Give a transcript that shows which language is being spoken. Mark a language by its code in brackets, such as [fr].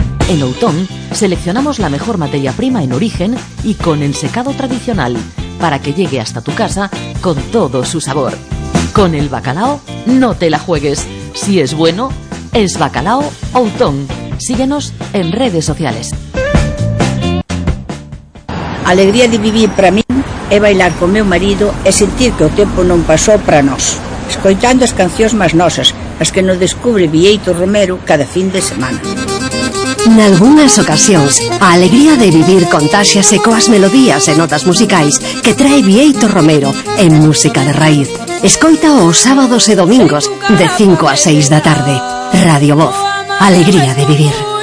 [es] En Outón seleccionamos la mejor materia prima en origen y con el secado tradicional para que llegue hasta tu casa con todo su sabor. Con el bacalao no te la juegues. Si es bueno, es bacalao Outón. Síguenos en redes sociales. [gl] Alegría de vivir para mí é bailar con meu marido e sentir que o tempo non pasou para nós, escoitando as cancións máis nosas, as que nos descubre Vieito Romero cada fin de semana. Nalgúnas ocasións, a alegría de vivir contáxiase coas melodías e notas musicais que trae Vieito Romero en Música de Raíz. Escoita os sábados e domingos de 5 a 6 da tarde. Radio Voz, alegría de vivir.